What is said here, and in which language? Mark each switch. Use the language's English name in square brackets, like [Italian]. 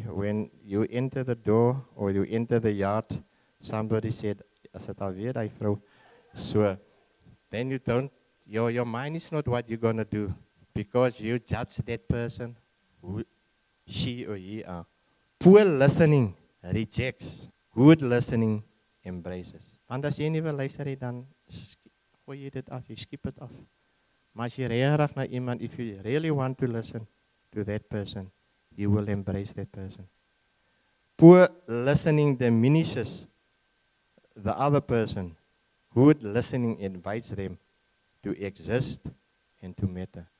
[English] When you enter the door or you enter the yard, somebody said, [Afrikaans] as it alweer die vrou, [English] so, then you don't, your mind is not what you're going to do, because you judge that person, who she or he are. Poor listening rejects. Good listening embraces. [Afrikaans] Want as jy nie wil luister, dan gooi jy dit af, jy skip dit af. Maar as jy regtig na iemand, [English] if you really want to listen to that person, you will embrace that person. Poor listening diminishes the other person. Good listening invites them to exist and to matter.